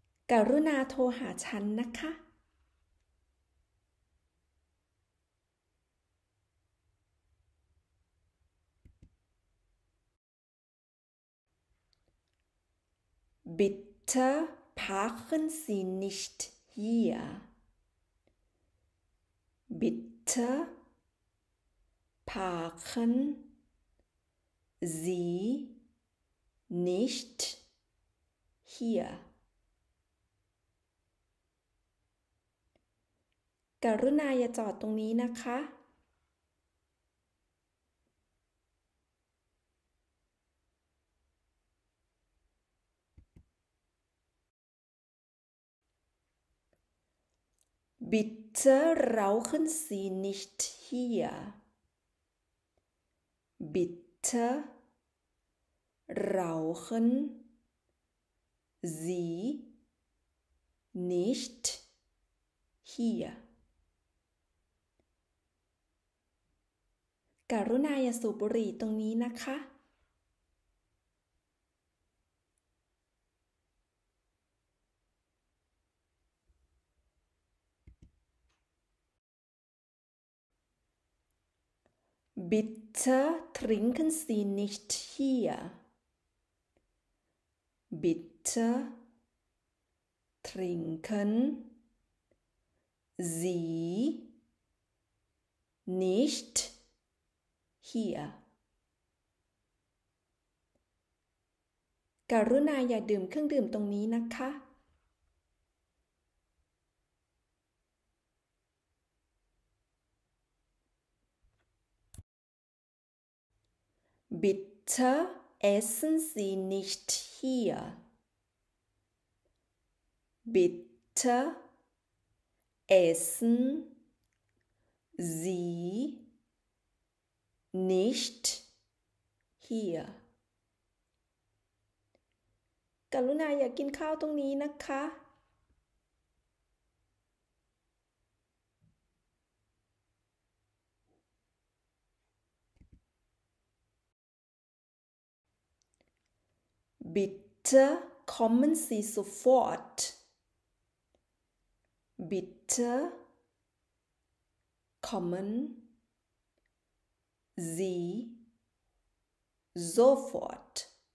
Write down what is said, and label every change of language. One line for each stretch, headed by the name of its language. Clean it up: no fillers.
Thai: กรุณาโทรหาฉันนะคะ
German: Bitte. Parken Sie nicht hier. Bitte parken Sie nicht hier.
Thai: กรุณาอย่าจอดตรงนี้นะคะ
German: Bitte rauchen Sie nicht hier. Bitte rauchen Sie nicht hier.
Thai: กรุณาอย่าสูบบุหรี่ตรงนี้นะคะ
German: Bitte trinken Sie nicht hier. Bitte trinken Sie nicht hier.
Thai: กรุณาอย่าดื่มเครื่องดื่มตรงนี้นะคะ
German: Bitte essen Sie nicht hier. Bitte essen Sie nicht hier.
Thai: กรุณาอย่ากินข้าวตรงนี้นะคะ
German: Bitte bitte kommen Sie sofort. Bitte kommen Sie sofort.